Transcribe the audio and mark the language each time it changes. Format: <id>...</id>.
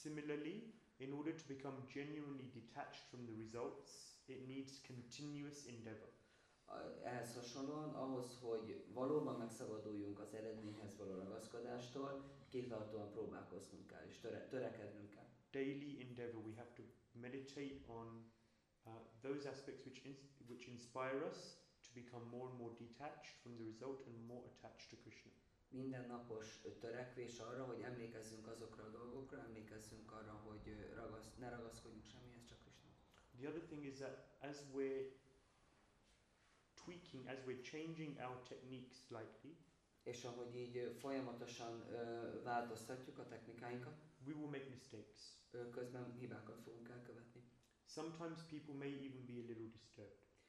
<en>Similarly, in order to become genuinely detached from the results, it needs continuous endeavor.</en> <hu>Ehhez hasonlóan, ahhoz, hogy valóban megszabaduljunk az eredményhez való ragaszkodástól, kitartóan próbálkoznunk kell, és törekednünk kell.</hu> <en>Daily endeavor, we have to meditate on those aspects which inspire us to become more and more detached from the result and more attached to Krishna.</en> <hu>Mindennapos törekvés arra, hogy emlékezzünk azokra a dolgokra, emlékezzünk arra, hogy ne ragaszkodjunk semmihez, csak Krishna.</hu> <en>The other thing is that as we're tweaking, as we're changing our techniques slightly,</en> <hu>és ahogy így folyamatosan változtatjuk a technikáinkat,</hu> <en>we will make mistakes.</en> <hu>Közben hibákat fogunk elkövetni.</hu> <en>Sometimes people may even be a little disturbed.</en>